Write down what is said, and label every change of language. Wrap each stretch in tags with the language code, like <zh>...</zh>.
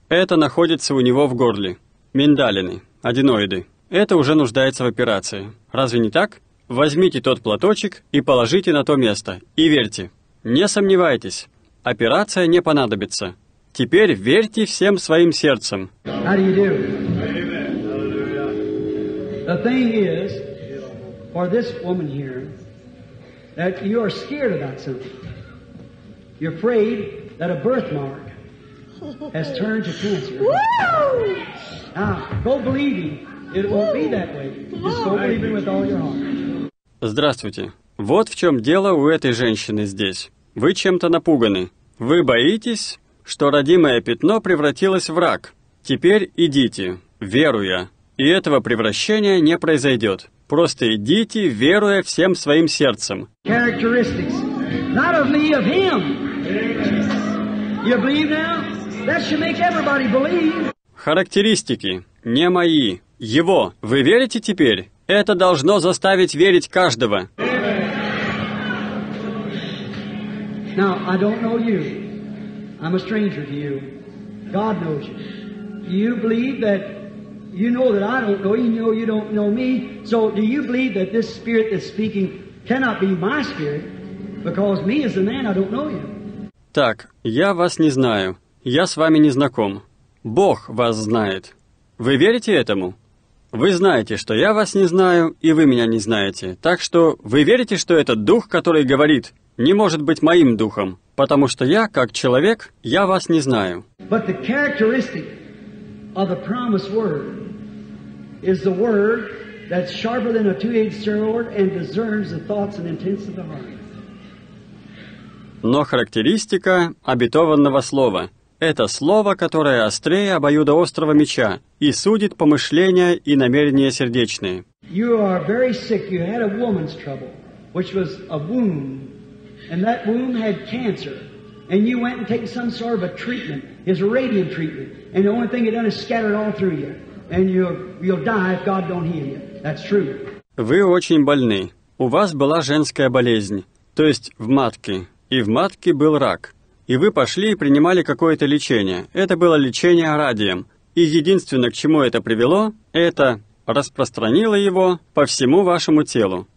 <ru>Это находится у него в горле. Миндалины, аденоиды. Это уже нуждается в операции. Разве не так? Возьмите тот платочек и положите на то место. И верьте. Не сомневайтесь. Операция не понадобится. Теперь верьте всем своим сердцем.</ru> <en>How do you do? The thing is, for this woman here, that you are scared about something. You're afraid that a birthmark has turned to cancer. Woo! Now, go believe me. It won't be that way. Just go believe me with all your heart.</en> <ru>Здравствуйте. Вот в чем дело у этой женщины здесь. Вы чем-то напуганы. Вы боитесь, что родимое пятно превратилось в рак. Теперь идите, веруя, и этого превращения не произойдет. Просто идите, веруя всем своим сердцем.</ru> <en>Characteristics. Not of me, of him. You believe now? That should make everybody believe.</en> <ru>Характеристики. Не мои. Его. Вы верите теперь? Это должно заставить верить каждого.</ru> <en>Now, I don't know you. I'm a stranger to you. God knows you. You believe that... You know that I don't know you. You know you don't know me. So do you believe that this spirit that's speaking cannot be my spirit? Because me as a man, I don't know you.</en> <ru>Так, я вас не знаю. Я с вами не знаком. Бог вас знает. Вы верите этому? Вы знаете, что я вас не знаю, и вы меня не знаете. Так что вы верите, что этот дух, который говорит, не может быть моим духом, потому что я, как человек, я вас не знаю.</ru> <en>But the characteristic of the promised word is the word that's sharper than a two-edged sword and discerns the thoughts and intents of the heart.</en> <ru>Но характеристика обетованного слова — это слово, которое острее обоюдоострого меча и судит помышления и намерения сердечные.</ru> <en>You are very sick. You had a woman's trouble, which was a womb, and that womb had cancer. And you went and take some sort of a treatment, his radium treatment, and the only thing it done is scatter it all through you, and you'll die if God don't heal you. That's true.</en> <ru>Вы очень больны. У вас была женская болезнь, то есть в матке. И в матке был рак. И вы пошли и принимали какое-то лечение. Это было лечение радием. И единственное, к чему это привело, это распространило его по всему вашему телу.</ru>